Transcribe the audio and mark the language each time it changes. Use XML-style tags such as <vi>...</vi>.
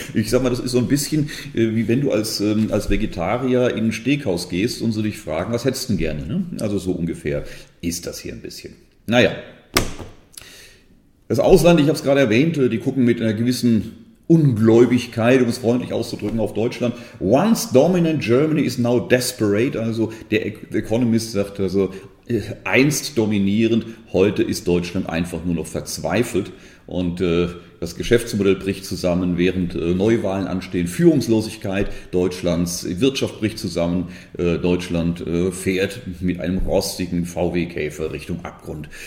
<de>Ich sag mal, das ist so ein bisschen, wie wenn du als Vegetarier in ein Steakhaus gehst und sie dich fragen, was hättest du denn gerne? Ne? Also so ungefähr ist das hier ein bisschen. Naja. Das Ausland, ich habe es gerade erwähnt, die gucken mit einer gewissen Ungläubigkeit, um es freundlich auszudrücken, auf Deutschland.</de> <en>Once dominant Germany is now desperate.</en> <de>Also der Economist sagt also, einst dominierend, heute ist Deutschland einfach nur noch verzweifelt. Und das Geschäftsmodell bricht zusammen, während Neuwahlen anstehen. Führungslosigkeit Deutschlands, Wirtschaft bricht zusammen. Deutschland fährt mit einem rostigen VW-Käfer Richtung Abgrund.</de>